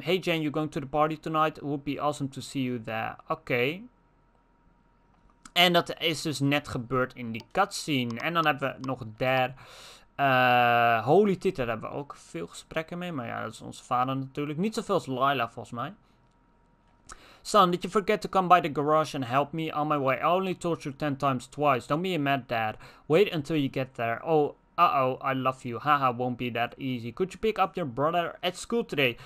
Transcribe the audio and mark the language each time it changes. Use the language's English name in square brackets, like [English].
[English] Hey Jane, you going to the party tonight? It would be awesome to see you there. [Dutch] Okay. En dat is dus net gebeurd in die cutscene. En dan hebben we nog daar... holy tit, daar hebben we ook veel gesprekken mee. Maar ja, dat is onze vader natuurlijk. Niet zoveel als Lila, volgens mij. [English] Son, did you forget to come by the garage and help me on my way? I only told you 10 times twice. Don't be a mad dad. Wait until you get there. Oh, I love you. Haha, won't be that easy. Could you pick up your brother at school today?